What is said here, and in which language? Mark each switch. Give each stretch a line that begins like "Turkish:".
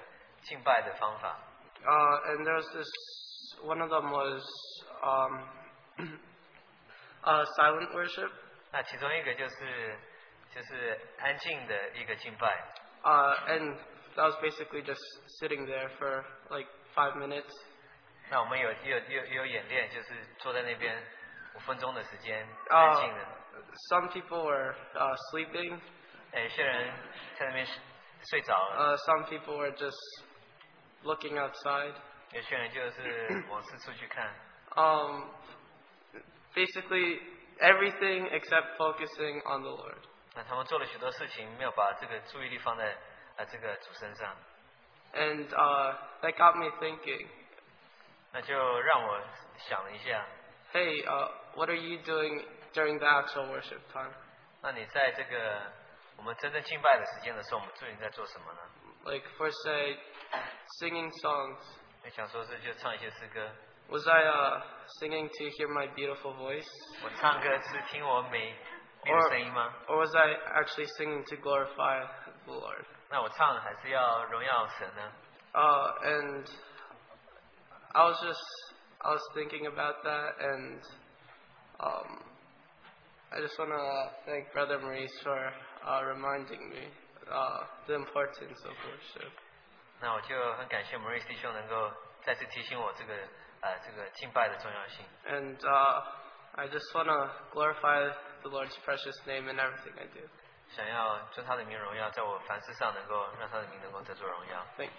Chinese: 他就让我们试不同的这个敬拜的方法。
English: And there was this. One of them was silent worship.
Chinese: 那其中一个就是安静的一个敬拜。
English: And that was basically just sitting there for like 5 minutes.
Chinese: 那我们有演练，就是坐在那边5分钟的时间安静的。
English: Some people were sleeping.
Chinese: 有些人在那边睡着了。
English: Some people were just looking outside.
Chinese: 有些人就是往四处去看。
English: Basically, everything except focusing on the Lord.
Chinese: 那他们做了许多事情，没有把这个注意力放在这个主身上。
English: And that got me thinking.
Chinese: 那就让我想了一下。
English: Hey, what are you doing during the actual worship time?
Chinese: 那你在这个我们真正敬拜的时间的时候，我们究竟在做什么呢？
English: Like for say, singing songs.
Chinese: 你想说是就唱一些诗歌。
English: Was I singing to hear my beautiful voice?
Chinese: 我唱歌是听我美丽的声音吗？
English: Or was I actually singing to glorify the Lord?
Chinese: 那我唱还是要荣耀神呢？
English: And I was thinking about that, and I just want to thank Brother Maurice for reminding me the importance of worship.
Chinese: 那我就很感谢 Maurice 弟兄能够再次提醒我这个。
English: And I just want to glorify the Lord's precious name in everything I do.
Chinese: 想要尊他的名荣耀，在我凡事上能够让他的名能够得着荣耀。
English: Thank